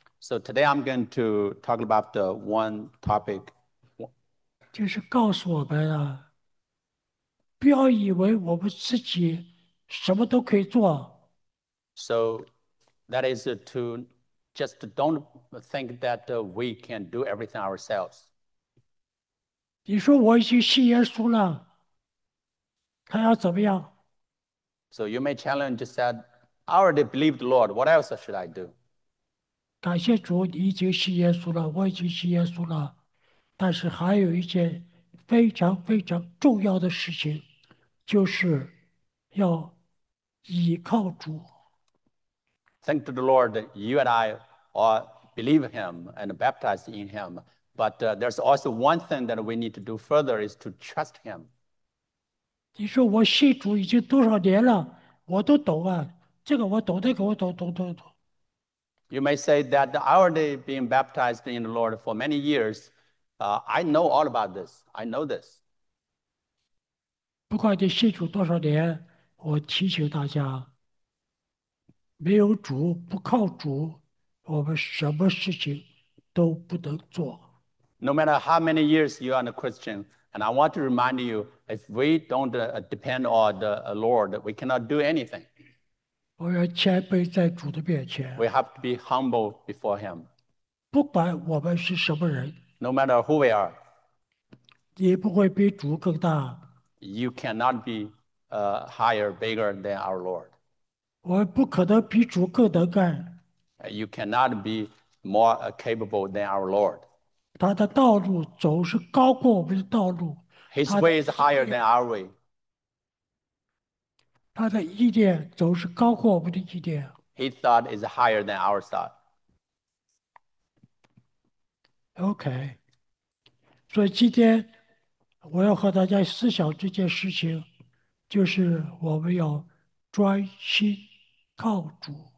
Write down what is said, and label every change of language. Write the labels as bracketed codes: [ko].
[en] So today I'm going to talk about the one topic. [zh] 就是告诉我们啊，不要以为我们自己什么都可以做。 [en] So that is to just don't think that we can do everything ourselves. [zh] 你说我已经信耶稣了，他要怎么样？ [en] So you may challenge, said, I already believed the Lord. What else should I do? [zh] 感谢主，你已经信耶稣了，我已经信耶稣了，但是还有一件非常非常重要的事情，就是要依靠主。 [en] Thank to the Lord, you and I all believe him and baptized in him. But there's also one thing that we need to do further is to trust him. [zh] 你说我信主已经多少年了，我都懂啊，这个我懂，那个我懂，懂。 [en] You may say that I already been baptized in the Lord for many years. I know all about this. I know this. [zh] 不管你信主多少年，我提醒大家，没有主，不靠主，我们什么事情都不能做。 [en] No matter how many years you are a Christian, and I want to remind you, if we don't depend on the Lord, we cannot do anything. [zh] 我要谦卑在主的面 [en] We [zh] 前， [en] have to be humble before Him. [zh] 不管我们是什么人， [en] No matter who we are, [zh] 也不会比主更大。 [en] you cannot be higher, bigger than our Lord. [zh] 我不可能比主更能干。 [en] You cannot be more capable than our Lord. [zh] 他的道路总是高过我们的道路， [en] His way is higher than our way. [zh] 他的意念总是高过我们的意念。 [en] His thought is higher than our thought. [zh] OK，所以今天我要和大家思想这件事情，就是我们要专心靠主。